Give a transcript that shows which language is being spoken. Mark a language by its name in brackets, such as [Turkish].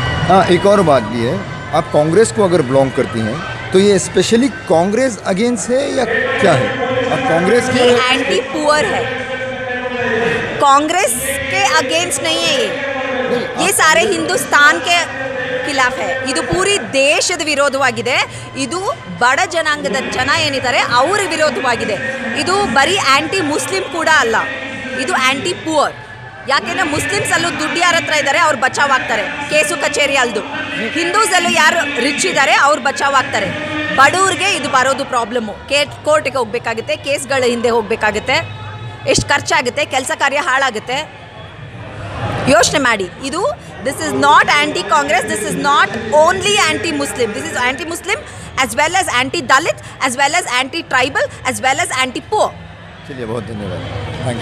[Hindi] हाँ, एक और बात भी है, आप कांग्रेस को अगर बिलोंग करती हैं तो ये स्पेशली कांग्रेस अगेंस्ट है या क्या है? आप कांग्रेस के एंटी पुअर है, कांग्रेस के अगेंस्ट नहीं है ये. ये सारे हिंदुस्तान के खिलाफ है, [Kannada] ಇದು ಪೂರಿ ದೇಶದ ವಿರೋಧವಾಗಿದೆ, ಇದು ಬಡ ಜನಾಂಗದ ಜನ ಏನಿದ್ದಾರೆ ಅವರ ವಿರೋಧವಾಗಿದೆ. ಇದು ಬರೀ ಆಂಟಿ ಮುಸ್ಲಿಂ ಕೂಡ ಅಲ್ಲ, ಇದು ಆಂಟಿ ಪುವರ್. ಯಾಕೆಂದ್ರೆ ಮುಸ್ಲಿಮ್ಸ್ ಅಲ್ಲೂ ದುಡ್ಡು ಯಾರ ಹತ್ರ ಇದ್ದಾರೆ ಅವ್ರು ಬಚಾವ್ ಆಗ್ತಾರೆ, ಕೇಸು ಕಚೇರಿ ಅಲ್ಲದು. ಹಿಂದೂಸ್ ಅಲ್ಲೂ ಯಾರು ರಿಚ್ ಇದ್ದಾರೆ ಅವ್ರು ಬಚಾವ್ ಆಗ್ತಾರೆ. ಬಡವ್ರಿಗೆ ಇದು ಬರೋದು ಪ್ರಾಬ್ಲಮ್, ಕೋರ್ಟಿಗೆ ಹೋಗ್ಬೇಕಾಗುತ್ತೆ, ಕೇಸ್ಗಳ ಹಿಂದೆ ಹೋಗ್ಬೇಕಾಗುತ್ತೆ, ಎಷ್ಟು ಖರ್ಚಾಗುತ್ತೆ, ಕೆಲಸ ಕಾರ್ಯ ಹಾಳಾಗುತ್ತೆ. ಯೋಚನೆ ಮಾಡಿ, ಇದು [English] This is not anti Congress, this is not only anti Muslim, this is anti Muslim as well as anti Dalit, as well as anti tribal, as well as anti poor. [Hindi] चलिए, बहुत धन्यवाद। Thank you.